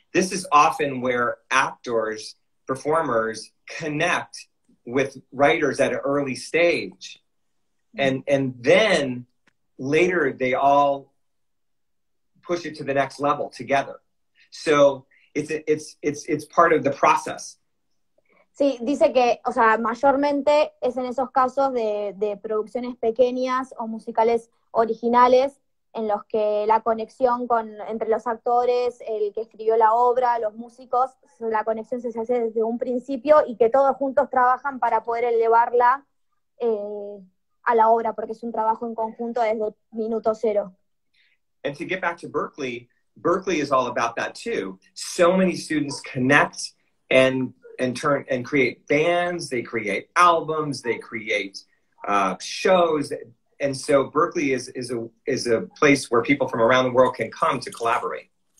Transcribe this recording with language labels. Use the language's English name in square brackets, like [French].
[English] This is often where actors, performers connect with writers at an early stage, and then later they all push it to the next level together. So it's part of the process. [Spanish] Sí, dice que, o sea, mayormente es en esos casos de producciones pequeñas o musicales originales en los que la conexión entre los actores, el que escribió la obra, los músicos, la conexión se hace desde un principio y que todos juntos trabajan para poder elevarla a la obra, porque es un trabajo en conjunto desde el minuto cero. [English] And to get back to Berklee, Berklee is all about that too. So many students connect and create bands, they create albums, they create shows. And so Berklee is a place where people from around the world can come to collaborate.